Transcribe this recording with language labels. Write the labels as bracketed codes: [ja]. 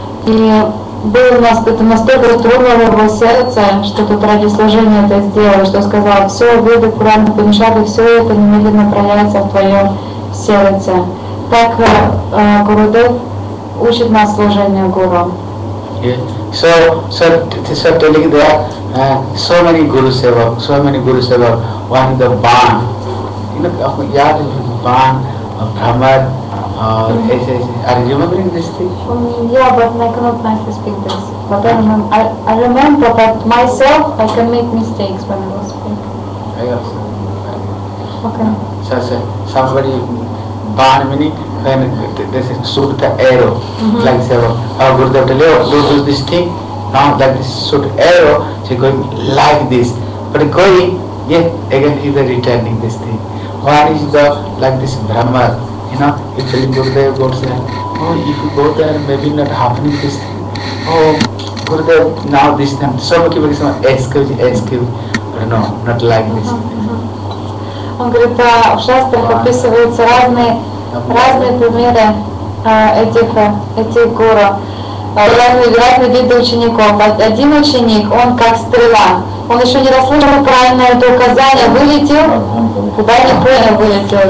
[ru] И был у нас это настолько тронуло его сердце, что тут ради служения это сделал, что сказал: «Все, веды, пураны, панишады, все это немедленно проявится в твоем сердце». Так Гурудев учит нас служению Гуру. [en] So telling there are so many Guru Seva, one the Ban, you know, Yad is Ban, Brahmar, are you remembering this thing? Yeah, but I cannot nicely speak this, but I remember, but myself, I can make mistakes when I will speak. I also. Okay. So somebody, Ban meaning? When they say, shoot the arrow, like Seva. Our Gurudev tell you, do this thing. Now, like this, shoot arrow, she going like this. But going, yet again, he is returning this thing. One is the, like this, Brahma, you know, he telling Gurudev, God say, oh, if you go there, maybe not happening this thing. Oh, Gurudev, now this thing. So, okay, but excuse, but no, not like this. [ru] Он говорит, в шастрах описываются разные примеры этих гуру, разные виды учеников. Один ученик, он как стрела, он еще не расслышал правильное это указание, вылетел, куда не понял, вылетел.